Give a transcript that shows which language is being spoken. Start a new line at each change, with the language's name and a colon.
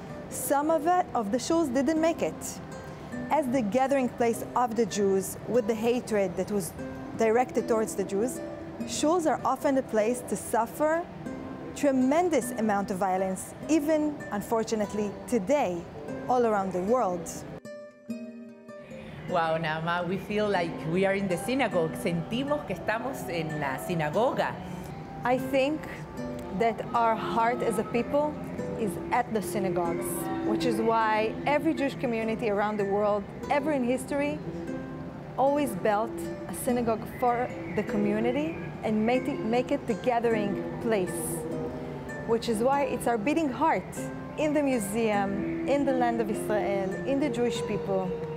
English: Some of the shuls didn't make it. As the gathering place of the Jews, with the hatred that was directed towards the Jews, shuls are often the place to suffer tremendous amount of violence, even, unfortunately, today, all around the world. Wow, Nama, we feel like we are in the synagogue.
Spanish: Sentimos que estamos en la sinagoga.
English: I think that our heart as a people is at the synagogues, which is why every Jewish community around the world, ever in history, always built a synagogue for the community and make it the gathering place, which is why it's our beating heart in the museum, in the land of Israel, in the Jewish people.